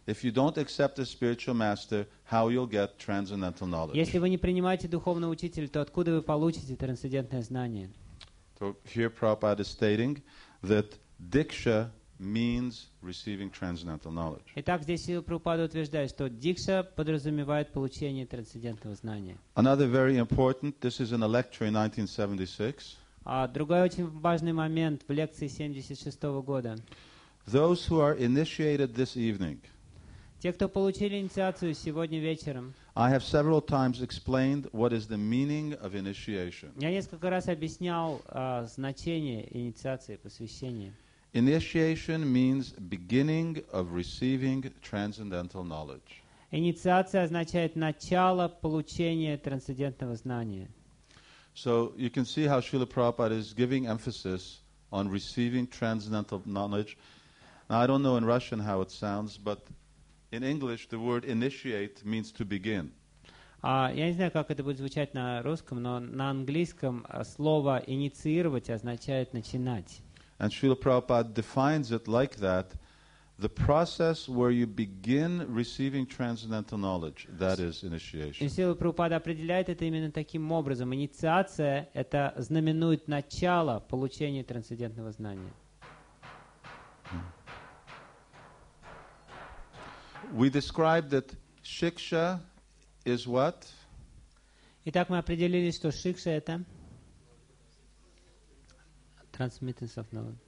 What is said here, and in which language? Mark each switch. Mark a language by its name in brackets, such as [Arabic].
[English] If you don't accept a spiritual master, how you'll get transcendental knowledge? [Russian] Если вы не принимаете духовного учителя, то откуда вы получите трансцендентное знание? [English] So here Prabhupada is stating that Diksha means receiving transcendental knowledge. [Russian] Итак, здесь Прабхупада утверждает, что дикша подразумевает получение трансцендентного знания. [English] Another very important, this is in a lecture in 1976. [Russian] А другой очень важный момент в лекции 76 года. [English] Those who are initiated this evening. [Russian] Те, кто получили инициацию сегодня вечером. [English] I have several times explained what is the meaning of initiation. [Russian] Я несколько раз объяснял значение инициации, посвящения. [English] Initiation means beginning of receiving transcendental knowledge. [Russian] Инициация означает начало получения трансцендентного знания. [English] So you can see how Srila Prabhupada is giving emphasis on receiving transcendental knowledge. Now I don't know in Russian how it sounds, but in English the word initiate means to begin. [Russian] Я не знаю, как это будет звучать на русском, но на английском слово инициировать означает начинать. [English] And Srila Prabhupada defines it like that, the process where you begin receiving transcendental knowledge, that is initiation. [Russian] Srila Prabhupada определяет это именно таким образом. Инициация – это знаменует начало получения трансцендентного знания. [English] We describe that shiksha is what? [Russian] Итак, мы определили, что шикша – это… [English] Transmittance of knowledge.